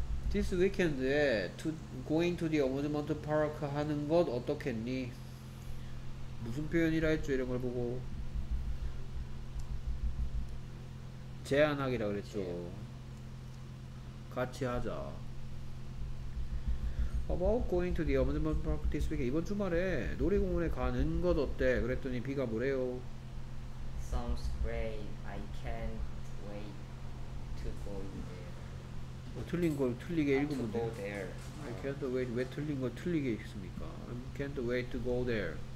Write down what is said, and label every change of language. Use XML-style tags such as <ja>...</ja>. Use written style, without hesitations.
<en>This weekend에 going to the 어메드먼트 파크</en> <ko>하는 것 어떻겠니? 무슨 표현이라 했죠? 이런 걸 보고 제안하기라 그랬죠. 같이 하자.</ko> <en>about going to the amusement park this weekend?</en> <ko>이번 주말에 놀이공원에 가는 것 어때? 그랬더니 비가 뭐래요?</ko> <en>Sounds great. I can't wait to go in there. 틀린 걸 틀리게 Not to</en> <ko>읽으면 돼.</ko> <en>go there. I can't wait.</en> <ko>왜 틀린 걸 틀리게 읽습니까?</ko> <en>I can't wait to go there.</en>